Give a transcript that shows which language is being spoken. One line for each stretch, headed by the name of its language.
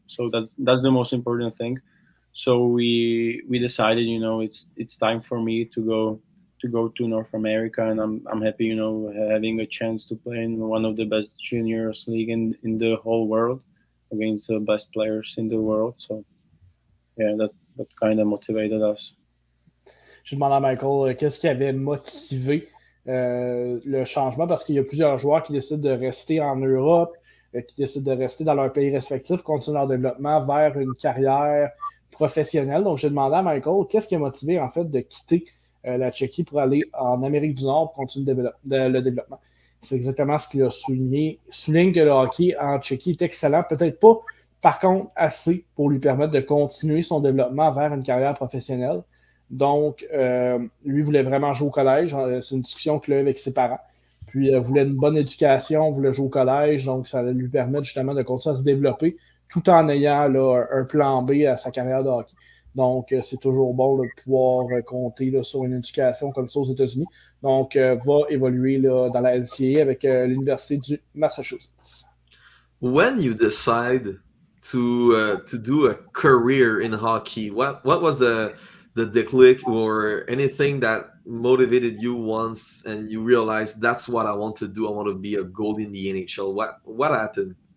English: So that's the most important thing. So we decided, you know, it's time for me to go to North America, and I'm happy, you know, having a chance to play in one of the best juniors league in the whole world against the best players in the world. So yeah, that kind of motivated us.
French: Je demande à Michael, qu'est-ce qui avait motivé le changement, parce qu'il y a plusieurs joueurs qui décident de rester en Europe, qui décident de rester dans leur pays respectif, continuer leur développement vers une carrière professionnelle. Donc, j'ai demandé à Michael, qu'est-ce qui a motivé, en fait, de quitter la Tchéquie pour aller en Amérique du Nord pour continuer le développement. C'est exactement ce qu'il a souligné. Il souligne que le hockey en Tchéquie est excellent, peut-être pas, par contre, assez pour lui permettre de continuer son développement vers une carrière professionnelle. Donc, lui voulait vraiment jouer au collège. C'est une discussion qu'il a eu avec ses parents. Puis, il voulait une bonne éducation, voulait jouer au collège. Donc, ça allait lui permettre justement de continuer à se développer tout en ayant là, un plan B à sa carrière de hockey. Donc, c'est toujours bon là, de pouvoir compter là, sur une éducation comme ça aux États-Unis. Donc, va évoluer là, dans la NCAA avec l'Université du Massachusetts.
English: When you decide to do a career in hockey, what was the click or anything that motivated you once and you realized that's what I want to do, I want to be a goalie in the NHL? What happened?